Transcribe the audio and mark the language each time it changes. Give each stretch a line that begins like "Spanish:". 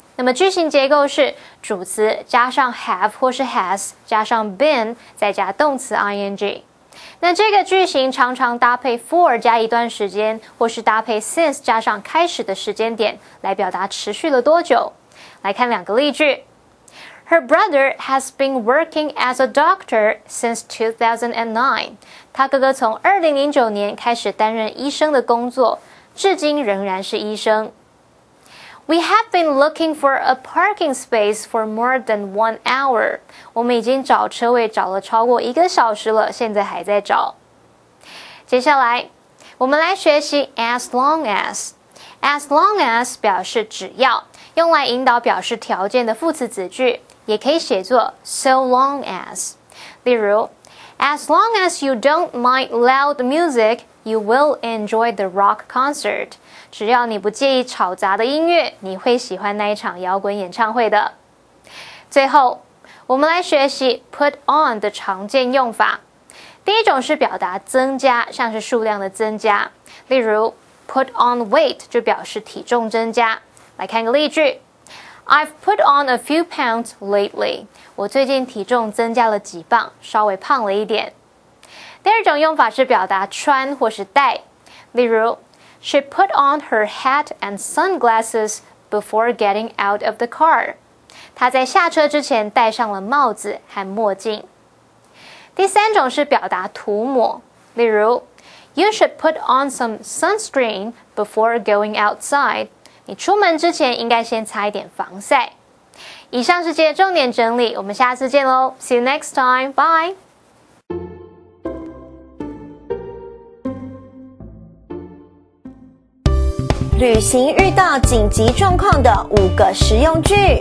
Chinese: 那么句型结构是主词加上 have 或是 has 加上 been 再加动词 ing。那这个句型常常搭配 for 加一段时间，或是搭配 since 加上开始的时间点来表达持续了多久。来看两个例句。
English: Her brother has been working as a doctor since 2009.
Chinese: 他哥哥从2009年开始担任医生的工作，至今仍然是医生。
English: We have been looking for a parking space for more than 1 hour.
Chinese: 我们已经找车位找了超过一个小时了，现在还在找。接下来，我们来学习 as long as。 As long as 表示只要，用来引导表示条件的副词子句，也可以写作 so long as。例如
English: As long as you don't mind loud music, you will enjoy the rock concert。
Chinese: 只要你不介意吵杂的音乐，你会喜欢那一场摇滚演唱会的。最后，我们来学习 put on 的常见用法。第一种是表达增加，像是数量的增加，例如put on weight 就表示体重增加。来看个例句。
English: I've put on a few pounds lately.
Chinese: 我最近体重增加了几磅，稍微胖了一点。第二种用法是表达穿或是戴。例如
English: She put on her hat and sunglasses before getting out of the car.
Chinese: 她在下车之前戴上了帽子和墨镜。第三种是表达涂抹。例如
English: You should put on some sunscreen before going outside.
Chinese: 你出门之前应该先擦一点防晒。以上是今天的重点整理，我们下次见咯。
English: See you next time. Bye.
Chinese: Journey 遇到紧急状况的五个实用句。